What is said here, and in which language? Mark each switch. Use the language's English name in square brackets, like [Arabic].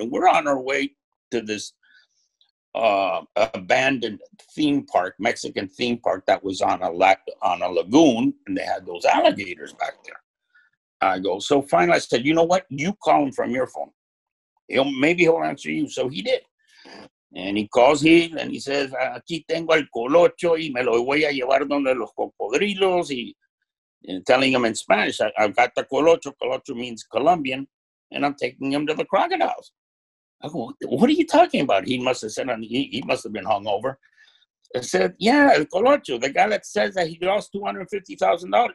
[English] And we're on our way to this abandoned theme park, Mexican theme park, that was on a lagoon, and they had those alligators back there. I go, so finally I said, you know what? You call him from your phone. Maybe he'll answer you. So he did. And he calls him and he says, [Spanish] aquí tengo el colocho y me lo voy a llevar donde los cocodrilos. [English] And telling him in Spanish, I've got the colocho. Colocho means Colombian. And I'm taking him to the crocodiles. I go, what are you talking about? He must have said, he must have been hungover. I said, yeah, el colocho, the guy that says that he lost $250,000.